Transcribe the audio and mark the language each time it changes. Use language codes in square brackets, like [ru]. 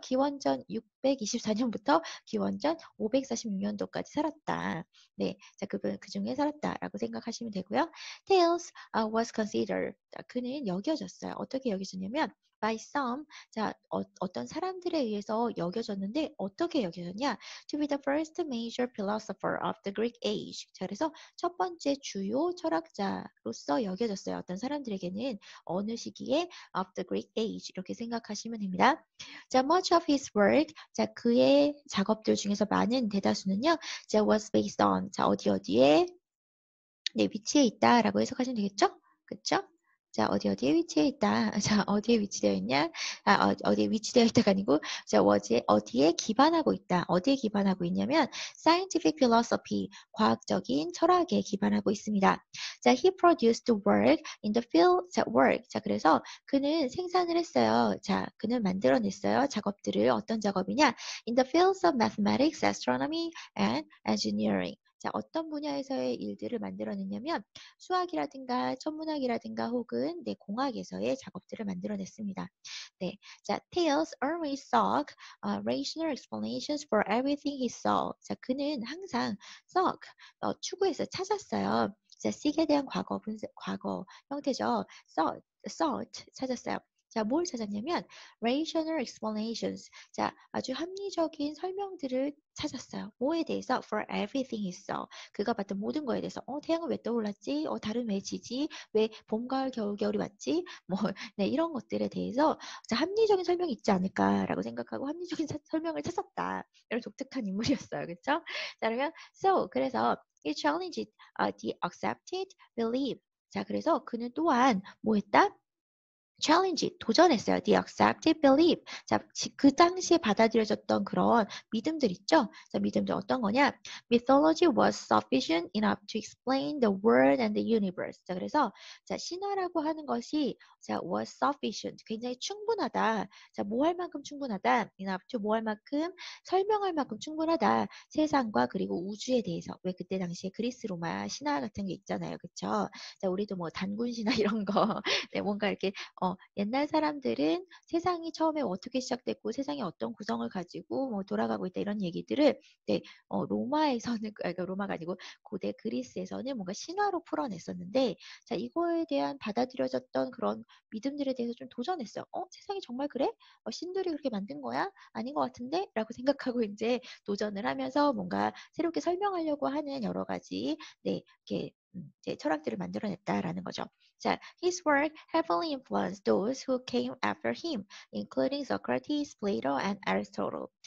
[ko] 기원전 624년부터 기원전 546년도까지 살았다. 네, 자, 그분 그중에 살았다라고 생각하시면 되고요. [en] Tales was considered. [ko] 그는 여겨졌어요. 어떻게 여겨졌냐면 [en] by some, [ko] 어떤 사람들에 의해서 여겨졌는데 어떻게 여겨졌냐? [en] To be the first major philosopher of the Greek age. [ko] 자, 그래서 첫 번째 주요 철학자로서 여겨졌어요. 어떤 사람들에게는 어느 시기에 [en] of the Greek age [ko] 이렇게 생각하시면 됩니다. 자, [en] much of his work, [ko] 그의 작업들 중에서 많은 대다수는요, [en] was based on, [ko] 어디 어디에 위치에 있다라고 해석하시면 되겠죠? 그렇죠? 자, 어디에 위치해 있다. 자, 어디에 위치되어 있냐? 어디에 위치되어 있다가 아니고, 자, 어디에 기반하고 있다. 어디에 기반하고 있냐면, [en] scientific philosophy, [ko] 과학적인 철학에 기반하고 있습니다. [en] 자, he produced work in the field, [ko] 그래서 그는 생산을 했어요. 자, 그는 만들어냈어요. 작업들을. 어떤 작업이냐? [en] In the fields of mathematics, astronomy, and engineering. [ko] 자, 어떤 분야에서의 일들을 만들어냈냐면 수학이라든가 천문학이라든가 혹은 공학에서의 작업들을 만들어냈습니다. [en] 네, 자, Tales always sought rational explanations for everything he saw. [ko] 자, 그는 항상 sought 추구해서 찾았어요. 자, seek에 대한 과거 형태죠. sought 찾았어요. 자, 뭘 찾았냐면 [en] rational explanations. [ko] 자, 아주 합리적인 설명들을 찾았어요. 뭐에 대해서? [en] For everything he saw. [ko] 그가 봤던 모든 거에 대해서. 태양은 왜 떠올랐지? 달은 왜 지지? 왜 봄, 가을, 겨울, 겨울이 왔지? 이런 것들에 대해서 합리적인 설명이 있지 않을까라고 생각하고 합리적인 설명을 찾았다. 이런 독특한 인물이었어요. 그렇죠? 자, 그러면 [en] so 그래서 he challenged the accepted belief. [ko] 자, 그래서 그는 또한 뭐 했다? [en] Challenge, [ko] 도전했어요. [en] The accepted belief. [ko] 자, 그 당시에 받아들여졌던 그런 믿음들 있죠? 자, 믿음들 어떤 거냐? [en] Mythology was sufficient enough to explain the world and the universe. [ko] 자, 그래서, 신화라고 하는 것이, [en] was sufficient. [ko] 굉장히 충분하다. 자, 뭐할 만큼 충분하다. enough to 뭐할 만큼? 설명할 만큼 충분하다. 세상과 그리고 우주에 대해서. 왜 그때 당시에 그리스 로마 신화 같은 게 있잖아요. 그쵸? 자, 우리도 단군 신화 이런 거. 네, 뭔가 이렇게, 옛날 사람들은 세상이 처음에 어떻게 시작됐고 세상이 어떤 구성을 가지고 돌아가고 있다 이런 얘기들을 로마에서는 로마가 아니고 고대 그리스에서는 뭔가 신화로 풀어냈었는데 자 이거에 대한 받아들여졌던 그런 믿음들에 대해서 좀 도전했어요. 세상이 정말 그래? 신들이 그렇게 만든 거야? 아닌 것 같은데?라고 생각하고 이제 도전을 하면서 뭔가 새롭게 설명하려고 하는 여러 가지 이렇게. 철학들을 만들어냈다라는 거죠. [en] 자, his work heavily influenced those who came after him, including Socrates, Plato, and Aristotle.